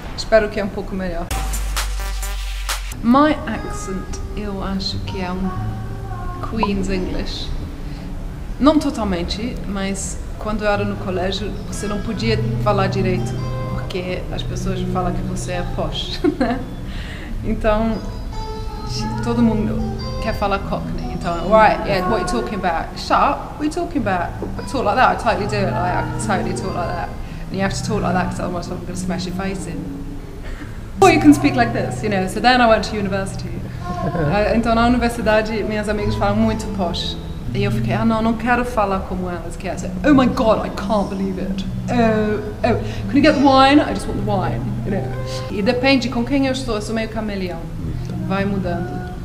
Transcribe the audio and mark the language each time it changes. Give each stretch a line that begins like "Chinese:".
Portuguese: Espero que é um pouco melhor.
English: My accent,
Portuguese: eu acho que é um Queen's English. Não totalmente, mas quando eu era no colégio, você não podia falar direito, porque as pessoas falam que você é posh, né? Então, todo mundo quer falar Cockney.
English: Então, right, yeah, what are you talking about? Shut up, what are you talking about? I talk like that, I totally do it like that, I can totally talk like that. And you have to talk like that because otherwise I'm going to smash your face in. Or you can speak like this, you know. So then I went to university.
Portuguese: Então, na universidade, minhas amigas falam muito posh. E eu fiquei, ah, não quero falar como elas querem.
English: So, oh my God, I can't believe it. Oh, can you get the wine? I just want the wine, you know.
Portuguese: E depende com quem eu estou, eu sou meio camaleão. Vai mudando.